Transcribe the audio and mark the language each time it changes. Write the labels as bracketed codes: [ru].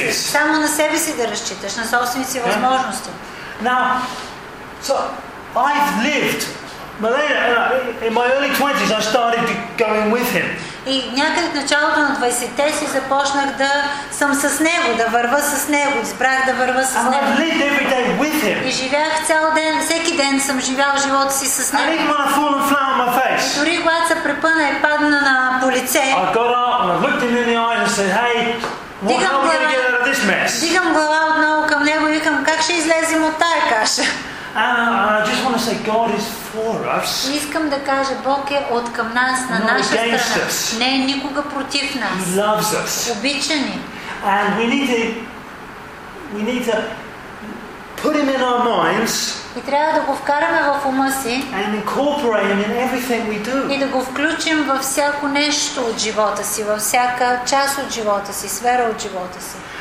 [bg] само на себе си да разчиташ, на собствените си възможности. [en] Now, so I've lived, Malena, in my early 20s I started going with him. [bg] И някъде в началото на 20-те си започнах да съм с Него, да вървя с Него, избрах да вървя с Него. [en] And I've lived every day with him. [bg] И живях цял ден, всеки ден съм живял живота си с Него. [en] And even when I've fallen flat on my face. [bg] Дори когато се препъна и падна на полице. [en] I got up and I looked him in the eyes and said, hey, how are we going to get out of this mess? [bg] Дигам глава отново към Него и викам, как ще излезем от тая каша? [en] And I just want to say God is for us. [bg] Искам да кажа, Бог е откъм нас, на наша страна. Не е никога против нас. [en] He loves us. [bg] Обича ни. [en] And we need to put him in our minds. [bg] И трябва да го вкараме в ума си. [en] And incorporate him in everything we do. [bg] И да го включим във всяко нещо от живота си, във всяка част от живота си, сфера от живота си.